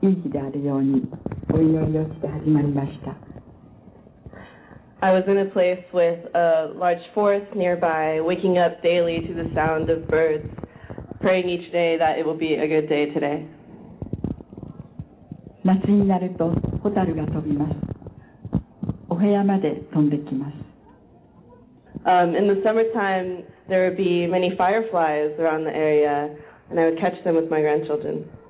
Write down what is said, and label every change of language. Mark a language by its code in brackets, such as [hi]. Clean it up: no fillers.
[ja] すぐ近くには森もあって、朝になると鳥の声で目を覚めて、お天道様に今日もいい日であるようにお祈りをして始まりました。 [en] I was in a place with a large forest nearby, waking up daily to the sound of birds, praying each day that it will be a good day today. [ja] 夏になると蛍が飛びます。お部屋まで飛んできます。 [en] In the summertime, there would be many fireflies around the area, and I would catch them with my grandchildren.